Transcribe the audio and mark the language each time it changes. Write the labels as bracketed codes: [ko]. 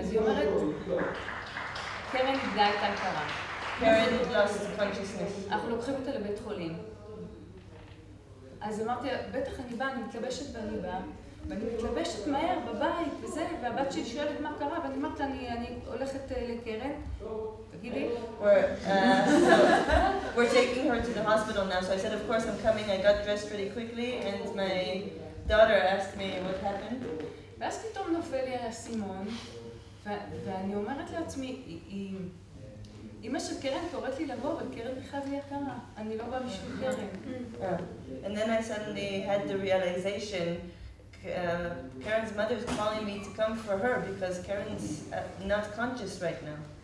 [he] אז היא אומרת, קרן איבדה את ההכרה. [en] Karen lost consciousness. [he] אנחנו לוקחים אותה לבית חולים. אז אמרתי, בטח אני באה, אני מתלבשת ואני באה. ואני מתלבשת מהר בבית וזה, והבת שלי שואלת מה קרה, ואני אומרת לה, אני הולכת לקרן. [en] We're taking her to the hospital now, so I said, of course I'm coming. I got dressed pretty quickly, and my daughter asked me what happened. [he] ואז פתאום נופל לי על הסימון, ואני אומרת לעצמי, אמא של קרן קוראת לי לבוא, אבל קרן בכלל היא יקרה. אני לא באה בשביל קרן. [en] And then I suddenly had the realization, Karen's mother is calling me to come for her, because Karen's not conscious right now.